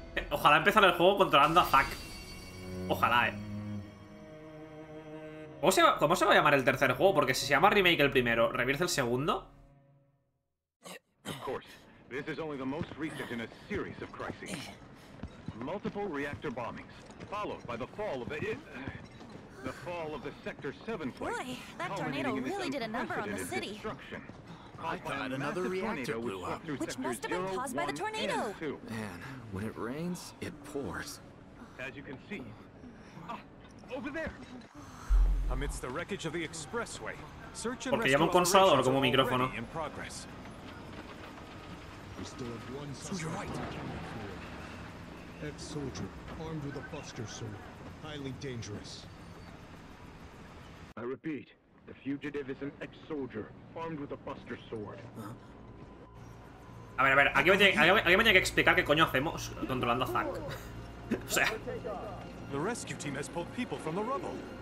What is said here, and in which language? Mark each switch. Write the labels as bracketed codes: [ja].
[es] Ojalá empezar el juego controlando a Zack. Ojalá, eh. ¿Cómo se va a llamar el tercer juego? Porque si se llama remake el primero, ¿revierte el segundo? [en] Of course, this is only the most recent in a series of crises. Multiple reactor bombings, followed by the fall of the fall of the Sector 7 plate. Boy, that tornado really did a number on the city. I thought another reactor blew up. Which must have been caused by the tornado. Man, when it rains, it pours. As you can see. Ah, over there. Amidst the wreckage of the expressway, search and rescue operations are already in progress. We still have one suspect. Ex-soldier, armed with a buster, sir. Highly dangerous. I repeat. The fugitive is an ex-soldier, armed with a buster sword. [es] A ver, aquí me tiene que explicar qué coño hacemos controlando a Zack. O sea. [en] The rescue team has pulled people from the rubble.